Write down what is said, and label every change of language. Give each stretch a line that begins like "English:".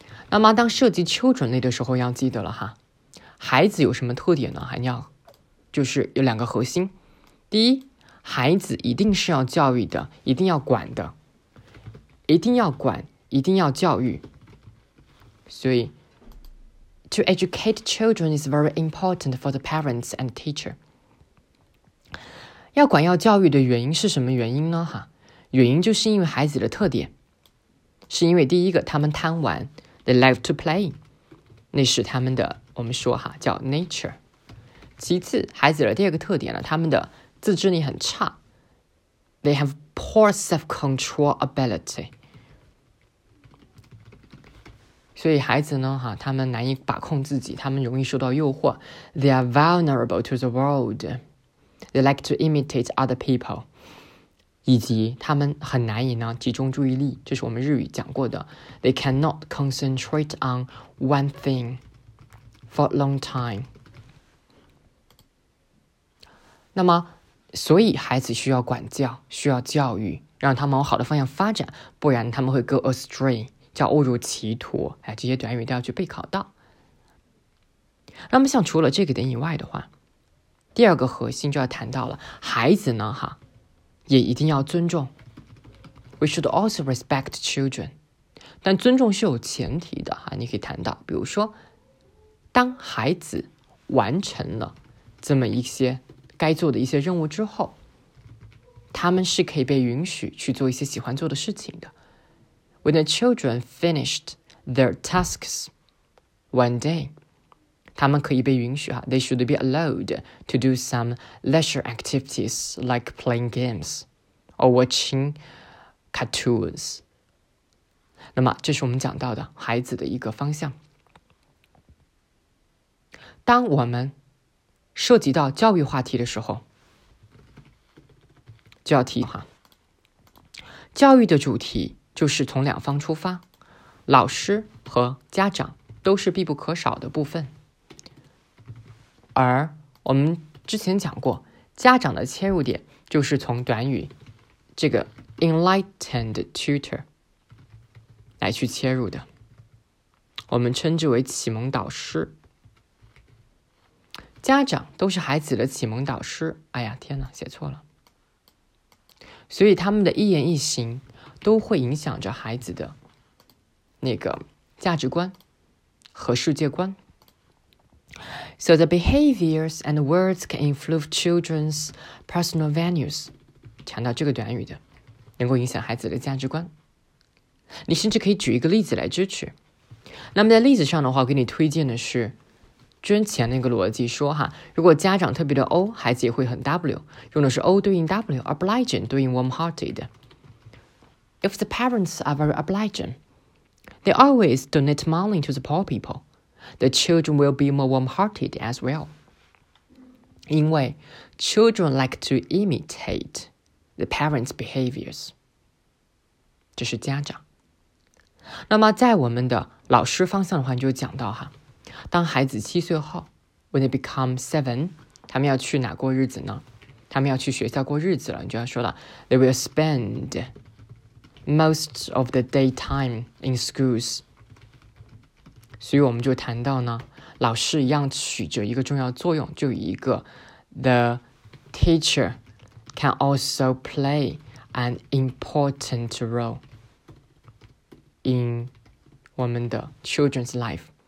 Chinese: 那么当涉及children类的时候要记得了哈，孩子有什么特点呢？还要就是有两个核心。第一，孩子一定是要教育的，一定要管的，一定要管，一定要教育。
English: 所以 To educate children is very important for the parents and teacher.
Chinese: 要管要教育的原因是什么原因呢？哈，原因就是因为孩子的特点，是因为第一个他们贪玩
English: They like to play,
Chinese: 那是他们的我们说哈叫 nature。其次孩子的第二个特点呢，他们的自制力很差
English: They have poor self-control ability。
Chinese: 所以孩子呢哈，他们难以把控自己，他们容易受到诱惑
English: They are vulnerable to the world. They like to imitate other people.
Chinese: 以及他们很难以呢集中注意力，这是我们日语讲过的
English: They cannot concentrate on one thingfor a long time.
Chinese: 那么所以孩子需要管教，需要教育，让他们往好的方向发展，不然他们会
English: go astray,
Chinese: 叫误入歧途，哎，这些短语都要去备考到。那么像除了这个点以外的话，第二个核心就要谈到了，孩子呢哈也一定要尊重。
English: We should also respect children.
Chinese: 但尊重是有前提的哈，你可以谈到比如说当孩子完成了这么一些该做的一些任务之后，他们是可以被允许去做一些喜欢做的事情的。
English: When the children finished their tasks one day,
Chinese: 他们可以被允许
English: They should be allowed to do some leisure activities like playing games or watching cartoons.
Chinese: 那么这是我们讲到的孩子的一个方向。当我们涉及到教育话题的时候，就要提哈，教育的主题就是从两方出发，老师和家长都是必不可少的部分。而我们之前讲过，家长的切入点就是从短语这个 enlightened tutor 来去切入的，我们称之为启蒙导师。家长都是孩子的启蒙导师，哎呀天哪，写错了。所以他们的一言一行都会影响着孩子的那个价值观和世界观。
English: So the behaviors and words can influence children's personal values，
Chinese: 强调这个短语的能够影响孩子的价值观。你甚至可以举一个例子来支持。那么在例子上的话，我给你推荐的是之前那个逻辑，说哈，如果家长特别的 O， 孩子也会很 W， 用的是 O 对应 W， obliging 对应 warm-hearted。
English: If the parents are very obliging, they always donate money to the poor people, the children will be more warm-hearted as well. 因为 children like to imitate the parents' behaviors，
Chinese: 这是家长。那么在我们的老师方向的话，你就讲到哈，当孩子七岁后 ，
English: when they become seven，
Chinese: 他们要去哪过日子呢？他们要去学校过日子了。你就要说了
English: ，they will spend most of the daytime in schools。
Chinese: 所以我们就谈到呢，老师一样起着一个重要作用，就一个 ，
English: the teacher can also play an important role in
Chinese: 我们的
English: children's life。